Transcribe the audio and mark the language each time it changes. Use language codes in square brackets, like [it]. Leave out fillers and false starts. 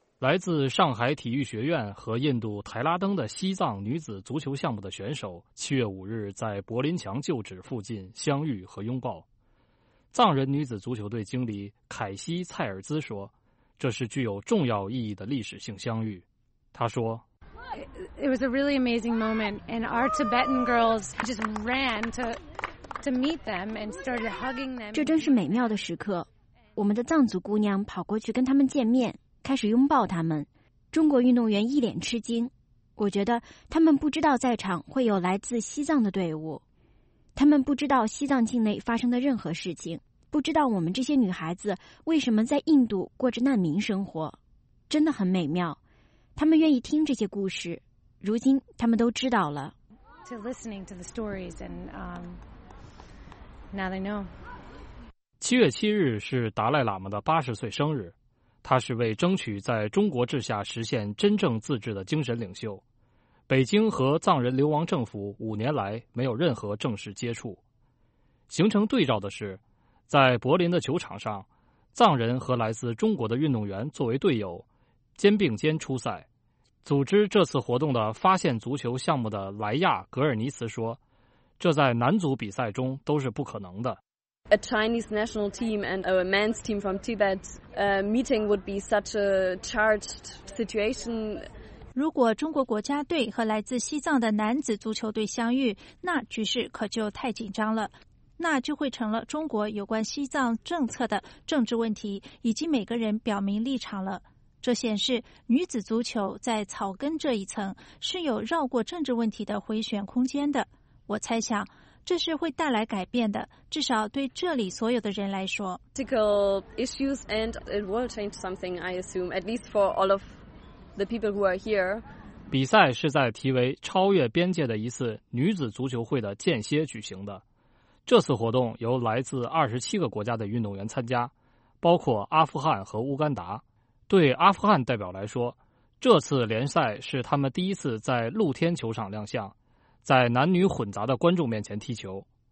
[zh] 来自上海体育学院和印度台拉登的西藏女子足球项目的选手7月5日在柏林墙旧址附近相遇和拥抱。藏人女子足球队经理凯西·蔡尔兹说，这是具有重要意义的历史性相遇。他说， [en] It was a really amazing moment, and our Tibetan girls just ran to meet them and started hugging them. [zh] 这真是美妙的时刻，我们的藏族姑娘跑过去跟他们见面，开始拥抱他们。中国运动员一脸吃惊，我觉得他们不知道在场会有来自西藏的队伍，他们不知道西藏境内发生的任何事情，不知道我们这些女孩子为什么在印度过着难民生活，真的很美妙。他们愿意听这些故事，如今他们都知道了。 [en] To listening to the stories and now they know. [zh] 七月七日是达赖喇嘛的80岁生日，他是为争取在中国治下实现真正自治的精神领袖。北京和藏人流亡政府5年来没有任何正式接触。形成对照的是，在柏林的球场上，藏人和来自中国的运动员作为队友，肩并肩出赛。组织这次活动的发现足球项目的莱亚·格尔尼茨说，这在男足比赛中都是不可能的。 [en] A Chinese national team and a men's team from Tibet meeting would be such a charged situation. [zh] 如果中国国家队和来自西藏的男子足球队相遇，那局势可就太紧张了。那就会成了中国有关西藏政策的政治问题，以及每个人表明立场了。这显示女子足球在草根这一层是有绕过政治问题的回旋空间的。我猜想这是会带来改变的，至少对这里所有的人来说。 [en] Political issues and it will change something, I assume, at least for all of the people who are here. [zh] 比赛是在题为“超越边界”的一次女子足球会的间歇举行的。这次活动由来自27个国家的运动员参加，包括阿富汗和乌干达。对阿富汗代表来说，这次联赛是他们第一次在露天球场亮相，在男女混杂的观众面前踢球。